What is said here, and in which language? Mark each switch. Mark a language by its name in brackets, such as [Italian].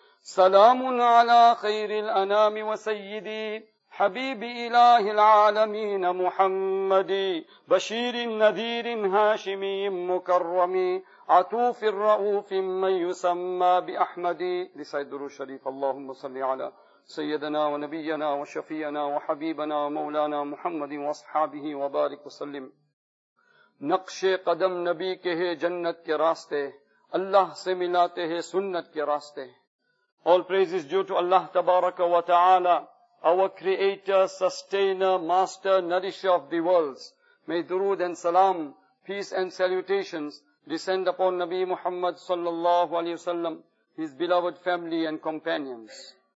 [Arabic] سلام على خير الأنام وسيدي حبيب إله العالمين محمد، بشير نذير هاشمي مكرم، عتوف الرؤوف من يسمى بأحمد، لسيد الدرو الشريف. اللهم صل على سيدنا ونبينا وشفينا وحبيبنا ومولانا محمد واصحابه وبارك وسلم. [Urdu] نقش قدم نبی کے ہے جنت کے راستے، اللہ سے ملاتے ہیں سنت کے راستے. [English] All praises due to Allah تبارک و تعالی, our creator, sustainer, master, nourisher of the worlds. May durood and salam, peace and salutations descend upon Nabi Muhammad sallallahu alayhi wasallam, his beloved family and companions.